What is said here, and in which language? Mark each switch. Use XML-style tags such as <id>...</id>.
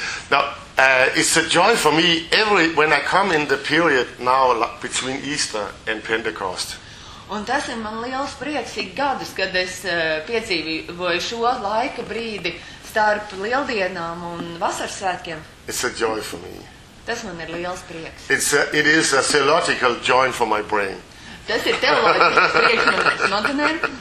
<en>Now, it's a joy for me every when I come in the period now like, between Easter and Pentecost.</en> <lv>Un tas ir man liels prieks ik gadus, kad es piedzīvoju šo laika brīdi starp lieldienām un vasaras svētkiem.</lv> <en>It's a joy for me.</en> <lv>Tas man ir liels prieks.</lv> <en>It is a theological joy for my brain.</en> <lv>Tas ir teoloģisks prieks man smadzenēm.</lv>